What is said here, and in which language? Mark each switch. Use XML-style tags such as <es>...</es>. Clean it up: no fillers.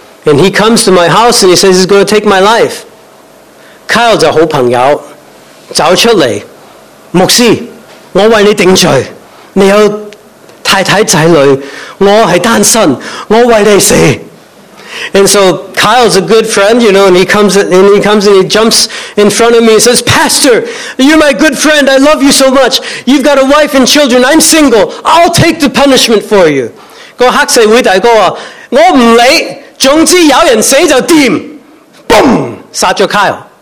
<en>And he comes to my house and he says he's going to take my life.</en> <yue>Kyle 就好朋友走出嚟，牧师，我为你定罪，你有太太仔女，我系单身，我为你死。</yue> <en>And so Kyle's a good friend, you know, and he jumps in front of me and says, Pastor, you're my good friend, I love you so much. You've got a wife and children, I'm single, I'll take the punishment for you.</en> <yue>个黑社会大哥啊，我唔理。总之有人死就掂，嘣，杀咗 Kyle.</yue>